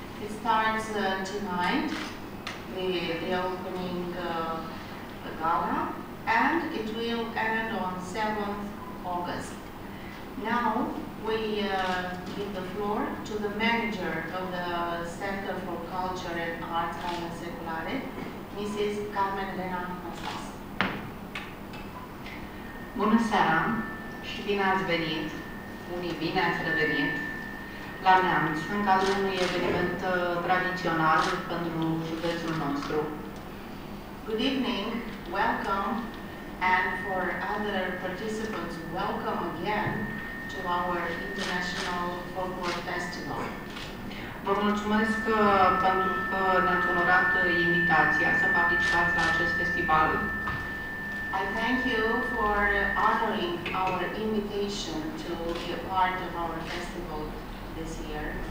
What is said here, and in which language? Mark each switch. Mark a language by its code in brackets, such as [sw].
[en] It starts tonight, the opening gala, and it will end on 7th August. Now, we give the floor to the manager of the Center for Culture and Arts, Carmen Seculare, Mrs. Carmen Elena Năstase. [ro] Bună seara și bine ați venit, unii bine ați revenit, la Neamț, în cadrul unui eveniment tradițional pentru județul nostru. [en] Good evening, welcome, and for other participants, welcome again to our International Folklore Festival. [ro] Vă mulțumesc pentru că ne-ați onorat invitația să participați la acest festival. [en] I thank you for honoring our invitation to be a part of our festival this year.